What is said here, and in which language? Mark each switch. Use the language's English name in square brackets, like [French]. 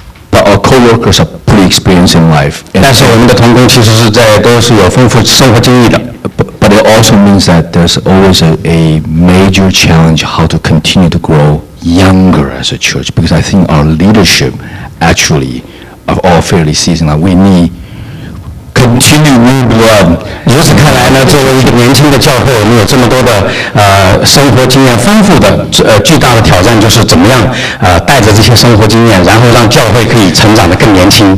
[English] Our co-workers are pretty experienced in life. [Chinese] 但是我们的同工其实是在都是有丰富生活经历的。 [English] But it also means that there's always a major challenge how to continue to grow younger as a church. Because I think our leadership actually are all fairly seasoned. Like we need continue new blood. [Chinese] 如此看来呢，作为一个年轻的教会，我们有这么多的生活经验丰富的巨大的挑战，就是怎么样带着这些生活经验，然后让教会可以成长得更年轻。